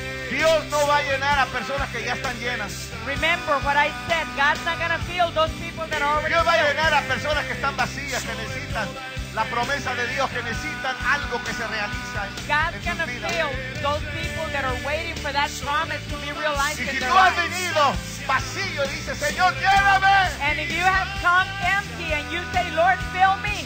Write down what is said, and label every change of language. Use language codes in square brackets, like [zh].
[es] Dios no va a llenar a personas que ya están llenas. [en] Remember what I said. God's not gonna fill those people that are already. [es] Dios va a llenar a personas que están vacías, que necesitan la promesa de Dios, que necesitan algo que se realiza. [en] God's gonna fill those people that are waiting for that promise to be realized. [es] Y si tú has venido vacío y dices, Señor, lléname. [en] And if you have come empty and you say, Lord, fill me.